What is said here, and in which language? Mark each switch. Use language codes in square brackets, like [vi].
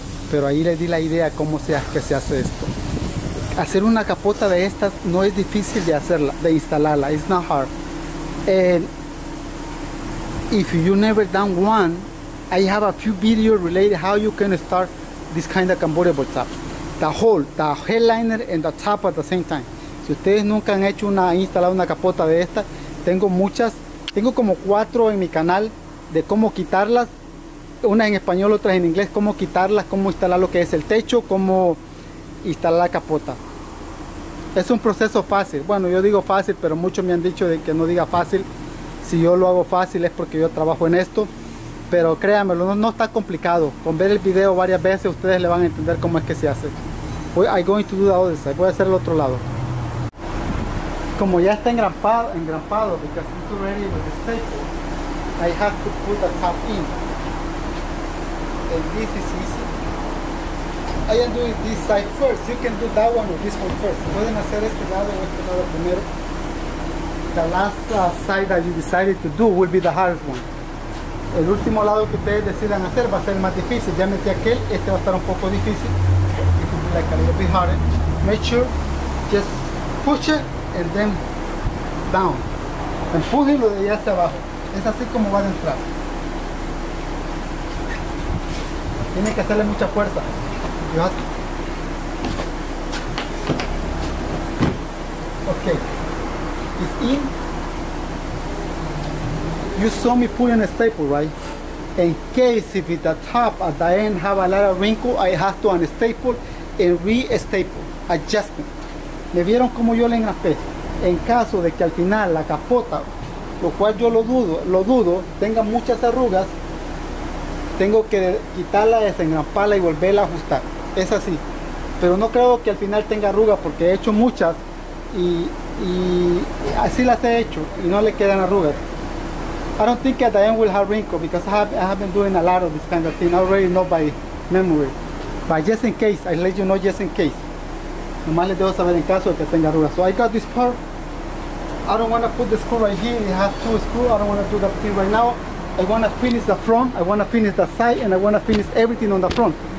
[es] Pero ahí les di la idea cómo sea que se hace esto. Hacer una capota de estas no es difícil de hacerla, de instalarla. [en] It's not hard. If you never done one, I have a few videos related how you can start this kind of convertible top. The hole, the headliner and the top at the same time. [es] Si ustedes nunca han hecho una, instalado una capota de esta, tengo muchas, tengo como 4 en mi canal de cómo quitarlas, unas en español, otras en inglés, cómo quitarlas, cómo instalar lo que es el techo, cómo instalar la capota. Es un proceso fácil. Bueno, yo digo fácil, pero muchos me han dicho de que no diga fácil. Si yo lo hago fácil es porque yo trabajo en esto, pero créanmelo, no está complicado. Con ver el video varias veces ustedes le van a entender cómo es que se hace. [en] I'm going to do the other side. [es] Voy a hacer el otro lado. Como ya está engrampado, [en] because it's already with the staple, I have to put the top in. And this is easy. I am doing this side first. You can do that one or this one first. [es] Pueden hacer este lado o este lado primero. [en] The last side that you decided to do will be the hardest one. [es] El último lado que ustedes decidan hacer va a ser más difícil. Ya metí aquel, este va a estar un poco difícil. [en] It will be like a little bit harder. Make sure, just push it and then down. [es] Empújelo de allá hacia abajo. Es así como va a entrar. Tiene que hacerle mucha fuerza. [en] Ok. It's in. You saw me putting a staple, right? In case if the top at the end have a lot of wrinkle, I have to unstaple and re-staple. [es] Adjustment. ¿Le vieron cómo yo le engrapé? En caso de que al final la capota, lo cual yo lo dudo, tenga muchas arrugas, tengo que quitarla, desengramparla y volverla a ajustar. Es así. Pero no creo que al final tenga arrugas porque he hecho muchas y así las he hecho y no le quedan arrugas. [en] I don't think that the end will have wrinkles because I have been doing a lot of this kind of thing. I already know by memory, but just in case, I let you know just in case. [es] Nomás les dejo saber en caso de que tenga arrugas. [en] So I got this part. I don't want to put the screw right here. It has 2 screws. I don't want to do that thing right now. I want to finish the front. I want to finish the side, and I want to finish everything on the front.